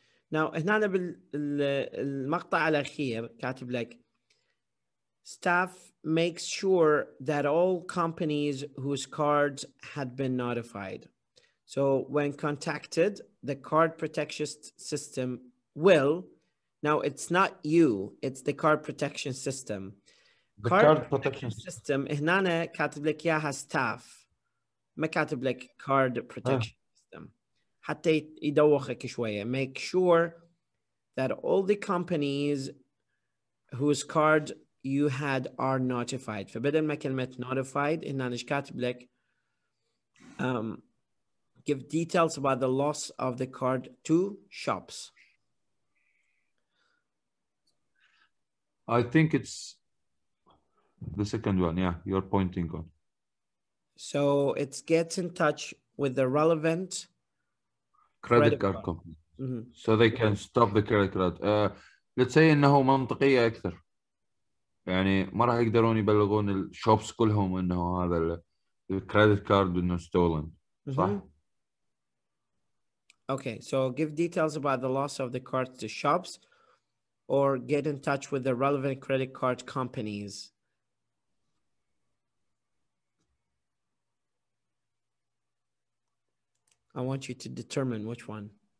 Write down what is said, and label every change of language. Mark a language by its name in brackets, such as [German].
[English] Now, [Arabic] هنا بالمقطع الأخير كاتب لك [English] staff makes sure that all companies whose cards had been notified. So when contacted, the card protection system will, now it's not you, it's the card protection system. The card protection system. [Arabic] هنا كاتب لك ياها staff. ما كاتب لك card protection system. حتى يدوخك شوية. [English] Make sure that all the companies whose card you had are notified. [Arabic] فبدل ما كلمة [English] notified [Arabic] هنا ايش كاتب لك [English] give details about the loss of the card to shops. I think it's the second one. Yeah, you're pointing on. So it's get in touch with the relevant credit card company. Mm-hmm. So they can stop the credit card. Let's say [Arabic] انه منطقية اكثر. يعني ما راح يقدرون يبلغون الشوبس كلهم انه هذا الكريدت كارد انه ستولن صح؟ [English] Okay, so give details about the loss of the cards to shops or get in touch with the relevant credit card companies. I want you to determine which one.